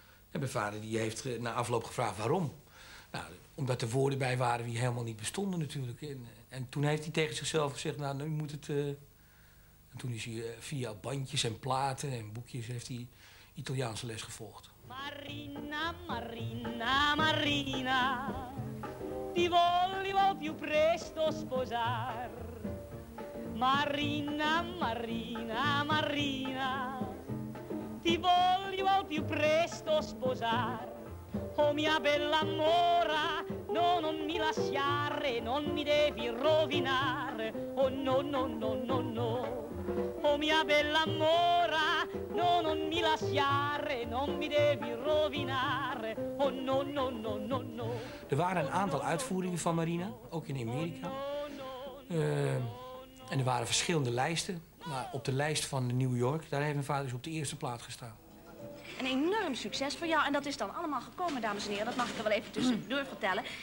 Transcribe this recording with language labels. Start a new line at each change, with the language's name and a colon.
Dutch: En mijn vader die heeft na afloop gevraagd waarom. Nou, omdat er woorden bij waren die helemaal niet bestonden natuurlijk. En toen heeft hij tegen zichzelf gezegd, nou, nu moet het... En toen is hij via bandjes en platen en boekjes heeft hij Italiaanse les gevolgd.
Italian: Marina, Marina, Marina, ti volevo più presto sposar. Marina, Marina, Marina, ti volevo più presto sposar. Oh mia bella mora, no, non mi lasciare, non mi devi rovinar. Oh no, no, no, no, no. Oh mia bella mora, no, non mi lasciare, non mi devi rovinare. Oh no, no, no, no, no.
Dutch: Er waren een aantal uitvoeringen van Marina, ook in Amerika. En er waren verschillende lijsten. Maar op de lijst van New York, daar heeft mijn vader dus op de eerste plaat gestaan. Een enorm succes voor jou. En dat is dan allemaal gekomen, dames en heren. Dat mag ik er wel even tussendoor vertellen.